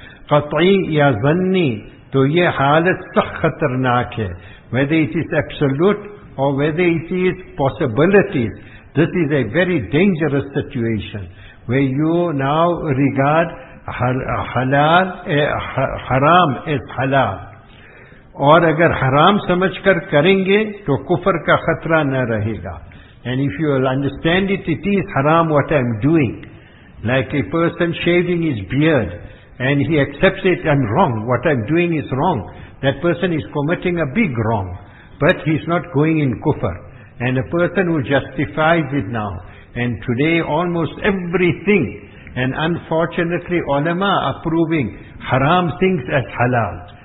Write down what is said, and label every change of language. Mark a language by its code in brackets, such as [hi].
[ur] قطعی یا ظنی تو یہ حالت سخت خطرناک ہے. [en] Whether it is absolute or whether it is possibilities, this is a very dangerous situation where you now regard haram as halal. [ur] اور اگر حرام سمجھ کر کریں گے تو کفر کا خطرہ نہ رہے گا. [en] And if you will understand it, it is haram what I am doing. Like a person shaving his beard and he accepts it, I'm wrong, what I'm doing is wrong. That person is committing a big wrong, but he's not going in kufr. And a person who justifies it now, and today almost everything, and unfortunately ulama are proving haram things as halal.